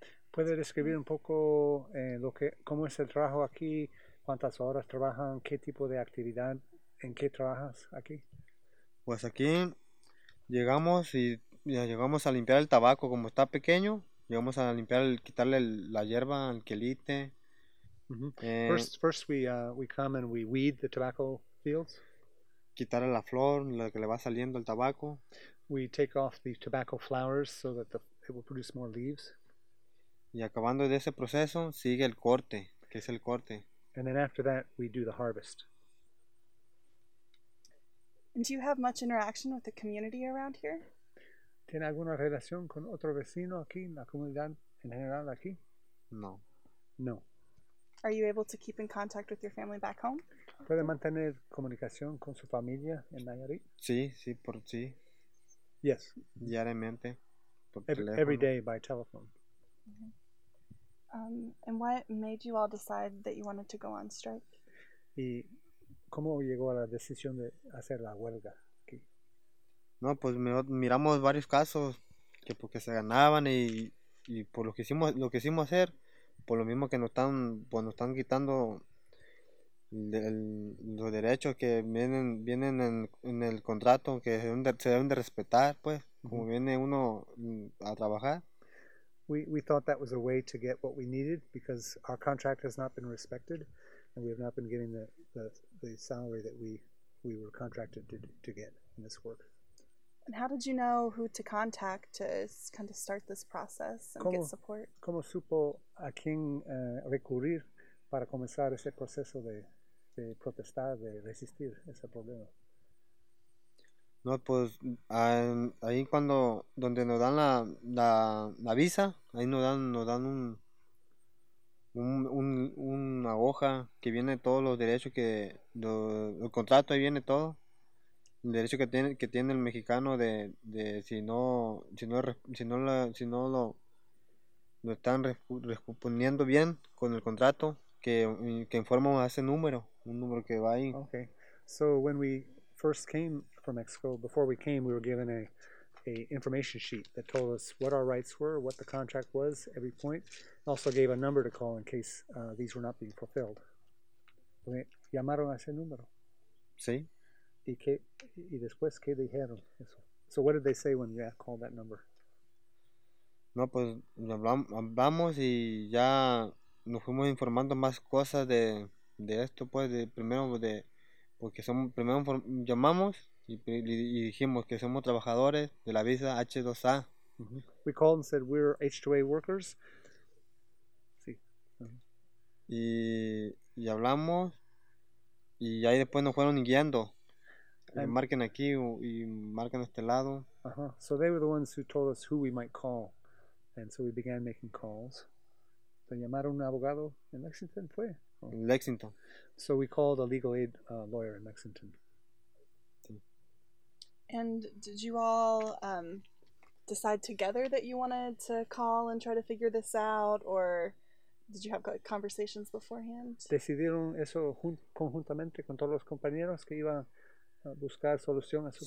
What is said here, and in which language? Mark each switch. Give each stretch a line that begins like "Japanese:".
Spanish: ¿Puede describir un poco cómo es el trabajo aquí? ¿Cuántas horas trabajan? ¿Qué tipo de actividad? ¿En qué trabajas aquí? Pues aquí llegamos y ya llegamos a limpiar el tabaco. Como está pequeño, llegamos a limpiar, quitarle la hierba, el quelite. Mm-hmm.
English: First we come and we weed the tobacco fields.
Spanish: Quitar la flor, la que le va saliendo el tabaco.
English: We take off the tobacco flowers so that it will produce more leaves.
Spanish: Y acabando de ese proceso, sigue el corte, que es el corte.
English: And then after that, we do the harvest. And do you have much interaction with the community around here?
Spanish: ¿Tiene alguna relación con otro vecino aquí, en la comunidad en general aquí? No.
English: No. Are you able to keep in contact with your family back home?
Spanish: ¿Puede mantener comunicación con su familia en Nayarit? Sí.
English: Yes.
Spanish: Diariamente.
English: Every day by telephone. Mm-hmm. And what made you all decide that you wanted to go on strike?
Spanish: ¿Y cómo llegó a la decisión de hacer la huelga aquí? No, pues miramos varios casos que porque se ganaban y por lo que hicimos hacer, por lo mismo que nos están quitando los derechos que vienen en el contrato, que se deben de respetar, pues, mm-hmm. Como viene uno a trabajar. We thought that was a way to get what we needed because our contract has not been respected and we have not been getting the salary that we were contracted to get in this work. And how did you know who to contact to kind of start this process and get support? ¿Cómo supo a quién recurrir para comenzar ese proceso de protestar, de resistir ese problema? No, pues ahí cuando donde nos dan la visa, ahí nos dan una hoja que viene todos los derechos que el contrato, ahí viene todo el derecho que tiene el mexicano de si no lo están respondiendo bien con el contrato, que informamos a ese número que va ahí.
English: Okay. So when we first came from Mexico. Before we came, we were given a information sheet that told us what our rights were, what the contract was, every point. It also gave a number to call in case these were not being fulfilled.
Spanish: Me llamaron a ese número. Sí. Y después, ¿qué dijeron? Eso.
English: So what did they say when you called that number?
Spanish: No, pues hablamos y ya nos fuimos informando más cosas de esto, pues, de primero de porque somos primero llamamos y dijimos que somos trabajadores de la visa H2A. Mm-hmm.
English: We called and said we're H2A workers.
Spanish: Sí. Mm-hmm. Y hablamos y ahí después nos fueron guiando. And, marquen aquí y marquen este lado. Uh-huh.
English: So they were the ones who told us who we might call. And so we began making calls.
Spanish: ¿Te llamaron un abogado en Lexington? ¿Fue?
English: Oh. Lexington. So we called a legal aid lawyer in Lexington. And did you all decide together that you wanted to call and try to figure this out? Or did you have conversations beforehand?
Spanish: Decidieron eso conjuntamente con todos los compañeros que iban a buscar solución a su